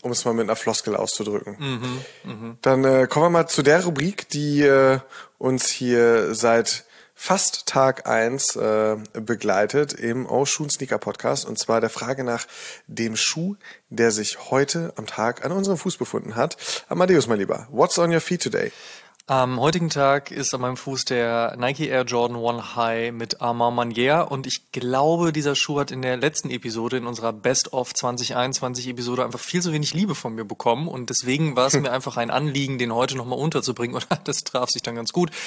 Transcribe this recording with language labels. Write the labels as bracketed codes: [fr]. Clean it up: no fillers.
[de] Um es mal mit einer Floskel auszudrücken. Dann kommen wir mal zu der Rubrik, die uns hier seit fast Tag 1 begleitet im Oshun Sneaker Podcast, und zwar der Frage nach dem Schuh, der sich heute am Tag an unserem Fuß befunden hat. [en] Amadeus, [de] mein Lieber, [en] what's on your feet today? [de] Am heutigen Tag ist an meinem Fuß der Nike Air Jordan One High mit Armand Manier, und ich glaube, dieser Schuh hat in der letzten Episode, in unserer Best of 2021 Episode, einfach viel zu wenig Liebe von mir bekommen, und deswegen war es mir einfach ein Anliegen, den heute nochmal unterzubringen, und das traf sich dann ganz gut.